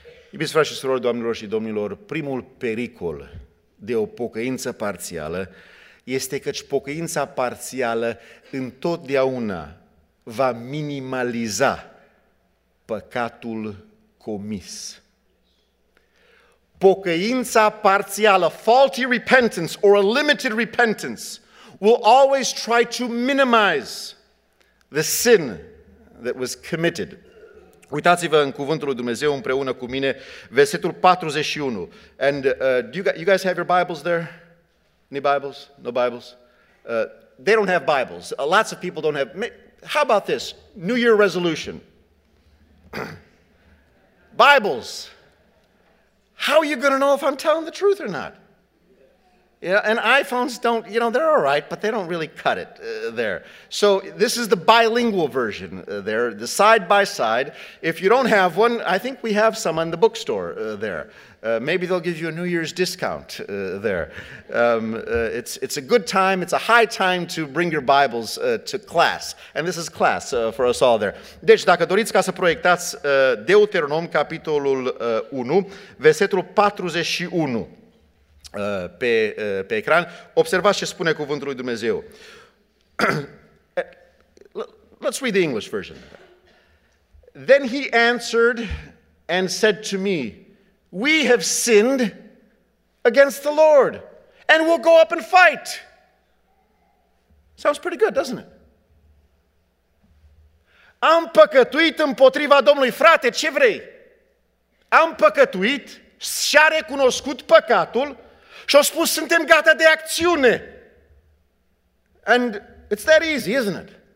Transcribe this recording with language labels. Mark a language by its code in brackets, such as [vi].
[ro] Iubiți frați și surori, doamnelor și domnilor, primul pericol de o pocăință parțială este că pocăința parțială întotdeauna va minimaliza păcatul comis. Pocăința parțială, [en] faulty repentance or a limited repentance, will always try to minimize the sin that was committed. [ro] Uitați-vă în cuvântul lui Dumnezeu împreună cu mine, versetul 41. [en] And do you guys have your Bibles there? Any Bibles? No Bibles? They don't have Bibles. Lots of people don't have. How about this? New Year resolution. Bibles. How are you going to know if I'm telling the truth or not? Yeah, and iPhones don't, you know, they're all right, but they don't really cut it there. So this is the bilingual version there, the side-by-side. If you don't have one, I think we have some in the bookstore there. Maybe they'll give you a New Year's discount there. It's a good time, it's a high time to bring your Bibles to class. And this is class for us all there. [ro] Deci, dacă doriți ca să proiectați Deuteronom, capitolul 1, versetul 41, pe ecran, observați ce spune cuvântul lui Dumnezeu. [en] Let's read the English version. Then he answered and said to me, we have sinned against the Lord and we'll go up and fight. Sounds pretty good, doesn't it? [ro] Am păcătuit împotriva Domnului. Frate, ce vrei? Am păcătuit și-a recunoscut păcatul. Și-au spus, suntem gata de acțiune. [en] And it's that easy, isn't it?